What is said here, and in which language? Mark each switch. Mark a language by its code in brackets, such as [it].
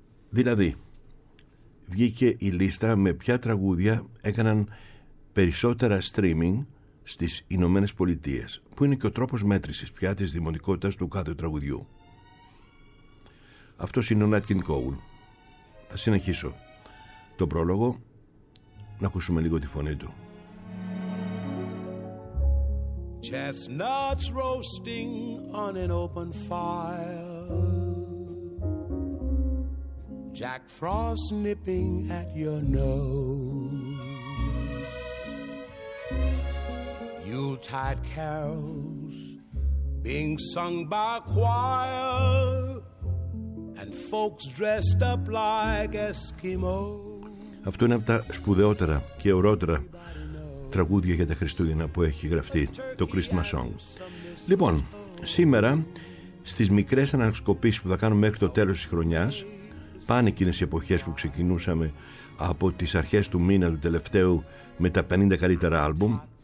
[el] Δηλαδή, βγήκε η λίστα με ποια τραγούδια έκαναν περισσότερα streaming στις Ηνωμένες Πολιτείες, που είναι και ο τρόπος μέτρησης πια της δημοτικότητας του κάθε τραγουδιού. Αυτός είναι ο Nat King Cole. Θα συνεχίσω το πρόλογο να ακούσουμε λίγο τη φωνή του. [en] Chestnuts roasting on an open fire, Jack Frost nipping at your nose, Yuletide carols being sung by a choir, and folks dressed up like Eskimos. [el] Αυτό είναι από τα σπουδαιότερα και ωραιότερα τραγούδια για τα Χριστούγεννα που έχει γραφτεί, το Christmas Song. Λοιπόν, σήμερα στις μικρές ανασκοπήσεις που θα κάνουμε μέχρι το τέλος της χρονιάς, πάνε εκείνες οι εποχές που ξεκινούσαμε από τις αρχές του μήνα του τελευταίου με τα 50 καλύτερα άλμπουμ.